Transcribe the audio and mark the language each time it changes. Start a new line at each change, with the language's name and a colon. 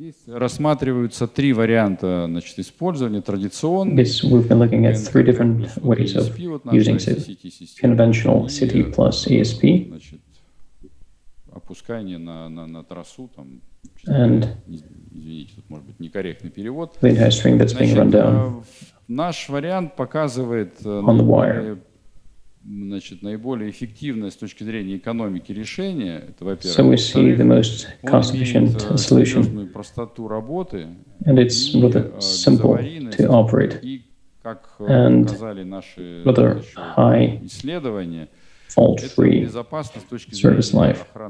Russian: Рассматриваются три варианта, значит, использования традиционных.
English: This we've been looking at three different ways of using conventional CT plus ESP.
Russian: Опускание на трассу там.
English: And
Russian: может быть некорректный перевод.
English: The entire string that's being run down.
Russian: Наш вариант показывает
English: on the wire.
Russian: Значит, наиболее эффективное с точки зрения экономики решение, это, во-первых,
English: so we see the most cost-efficient solution, and it's rather simple to operate, and rather high fault-free service life.